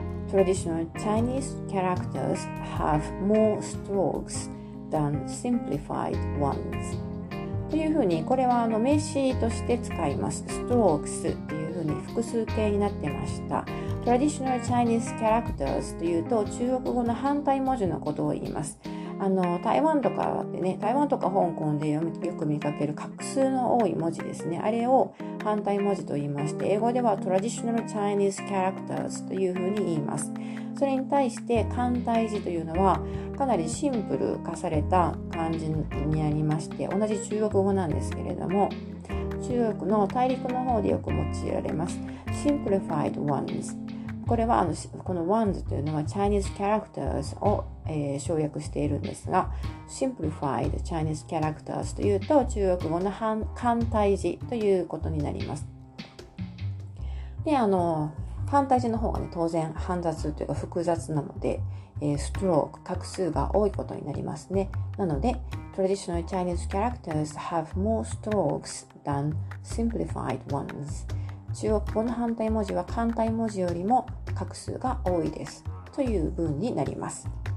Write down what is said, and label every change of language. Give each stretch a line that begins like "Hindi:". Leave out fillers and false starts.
English: Traditional Chinese characters have more strokes than simplified ones.
Japanese: というふうに、これは名詞として使います。 strokes というふうに複数形になってました。traditional Chinese characters というと、中国語の反対文字のことを言います。台湾とかでね、台湾とか香港でよく見かける画数の多い文字ですね。あれを反対文字と言いまして、英語では traditional Chinese characters というふうに言います。それに対して簡体字というのはかなりシンプル化された漢字になりまして、同じ中国語なんですけれども、中国の大陸の方でよく用いられます。 Simplified Ones、 これはこの Ones というのは Chinese Characters を、省略しているんですが、 Simplified Chinese Characters というと中国語の簡体字ということになります。で反対字の方がね、当然煩雑というか複雑なので、ストローク、画数が多いことになりますね。
English: なので、Traditional Chinese characters have more strokes than simplified ones.
Japanese: 中国語の反対文字は簡体文字よりも画数が多いです。という文になります。